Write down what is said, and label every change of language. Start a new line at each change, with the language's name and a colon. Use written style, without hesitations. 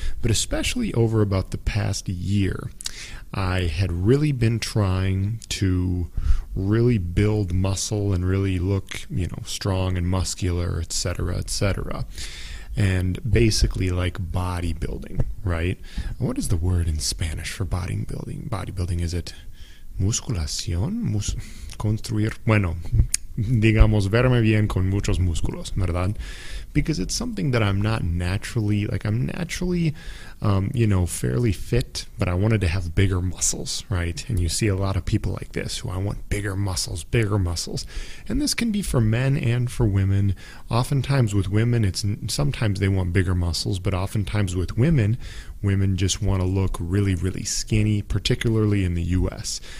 English: But especially over about the past year, I had really been trying to really build muscle and really look, you know, strong and muscular, et cetera, et cetera. And basically like bodybuilding, right? What is the word in Spanish for bodybuilding? Bodybuilding, is it musculación?
Spanish: Construir? Bueno, digamos, verme bien con muchos músculos, ¿verdad?
English: Because it's something that I'm not naturally, I'm naturally fairly fit, but I wanted to have bigger muscles, right? And you see a lot of people like this who I want bigger muscles. And this can be for men and for women. Oftentimes with women, sometimes they want bigger muscles, but oftentimes with women, women just want to look really, really skinny, particularly in the U.S.